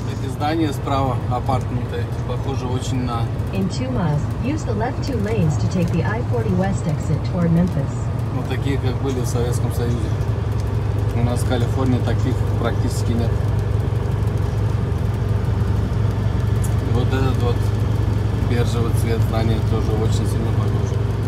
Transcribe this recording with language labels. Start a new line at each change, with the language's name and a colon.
Russian: Здание справа апартменты, похоже очень на.
English: In 2 miles, use the left two lanes to take the I-40 West exit toward Memphis.
Russian: Вот такие, как были в Советском Союзе. У нас в Калифорнии таких практически нет. И вот этот вот бежевый цвет здания тоже очень сильно похож.